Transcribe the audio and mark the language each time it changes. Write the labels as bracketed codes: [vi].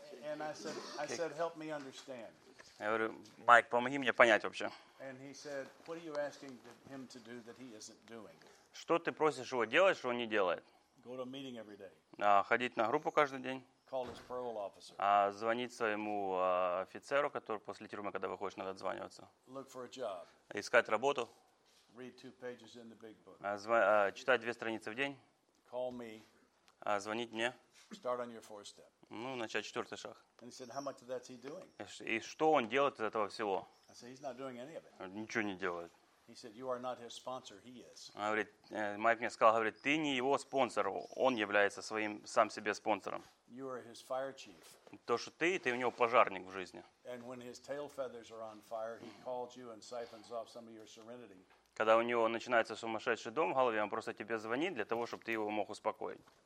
[en] And I said, help me understand. [ru] Я говорю, Майк, помоги мне понять вообще. [en] And he said, what are you asking him to do that he isn't doing? [ru] Что ты просишь его делать, что он не делает? [en] Go to a meeting every day. [ru] Ходить на группу каждый день. [en] Call his parole officer. [ru] Звонить своему офицеру, который после тюрьмы, когда выходишь, надо отзваниваться. [en] Look for a job. [ru] Искать работу. [en] Read two pages in the big book. [ru] Читать две страницы в день. [en] Call me. [ru] Звонить мне. [en] Start on your four step. [ru] Ну, начать четвертый шаг. [en] And he said, how much of that's he doing? [ru] И что он делает из этого всего? [en] I said, he's not doing any of it. [ru] Ничего не делает. [en] He said, you are not his sponsor, he is. [ru] Говорит, Майк мне сказал, говорит, ты не его спонсор, он является своим сам себе спонсором. [en] You are his fire chief. [ru] То, что ты у него пожарник в жизни. [en] And when his tail feathers are on fire, he calls you and siphons off some of your serenity. [ru] Когда у него начинается сумасшедший дом в голове, он просто тебе звонит для того, чтобы ты его мог успокоить.